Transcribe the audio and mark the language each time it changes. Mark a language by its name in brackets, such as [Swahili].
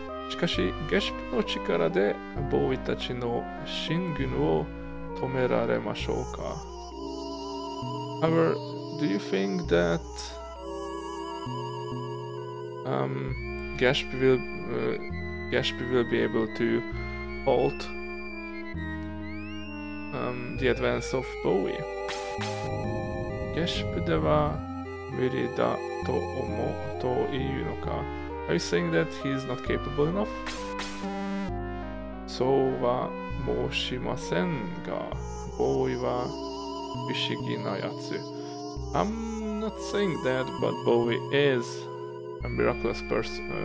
[Japanese] しかし、ゲシプの力でボーイたちの進軍を止められましょうか? [English] However, do you think that Gesp will be able to halt the advance of Bowie? [Japanese] ゲシプでは無理だと思うというのか? [English] Are you saying that he is not capable enough? [Japanese] そうは申しませんが、ボーイは不思議なやつ。 [English] I'm not saying that, but Bowie is a miraculous person.